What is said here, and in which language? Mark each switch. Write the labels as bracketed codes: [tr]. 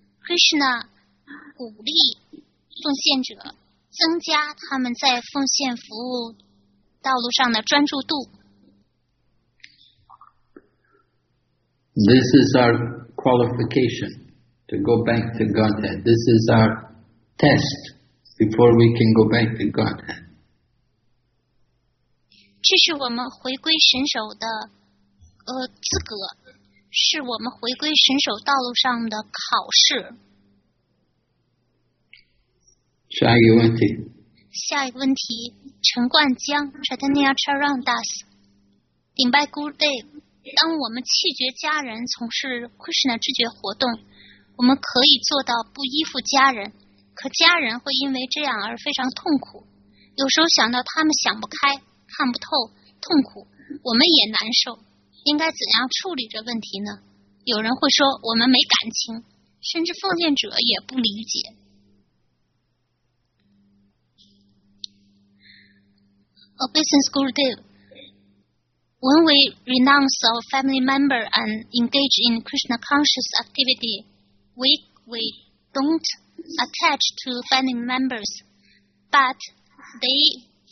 [zh] Krishna 鼓励奉献者增加他们在奉献服务道路上的专注度。 [en] This is our qualification to go back to Godhead. This is our test before we can go back to Godhead. [zh] 这是我们回归神手的资格，是我们回归神手道路上的考试。下一个问题。下一个问题，陈冠江 Chaitanya Charan Das， 顶拜 Guru Dev， 当我们弃绝家人从事 Krishna 知觉活动，我们可以做到不依附家人，可家人会因为这样而非常痛苦，有时候想到他们想不开看不透，痛苦，我们也难受，应该怎样处理这问题呢？有人会说我们没感情，甚至奉献者也不理解。 [en] Obeisance Guru Dev, when we renounce our family member and engage in Krishna conscious activity, we don't attach to family members, but they.